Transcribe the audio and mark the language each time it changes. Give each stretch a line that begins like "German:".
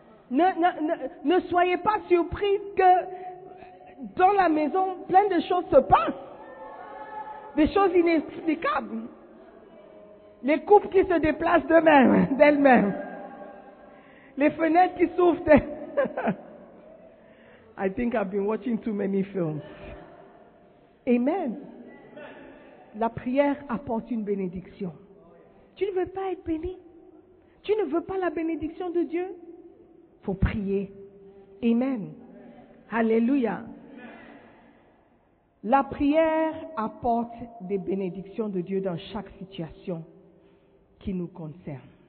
French: Ne soyez pas surpris que dans la maison, plein de choses se passent. Des choses inexplicables. Les couples qui se déplacent d'eux-mêmes, d'elles-mêmes. Les fenêtres qui s'ouvrent.
English: I think I've been watching too many films.
French: Amen. La prière apporte une bénédiction. Tu ne veux pas être béni? Tu ne veux pas la bénédiction de Dieu? Faut prier. Amen. Alléluia. La prière apporte des bénédictions de Dieu dans chaque situation qui nous concerne.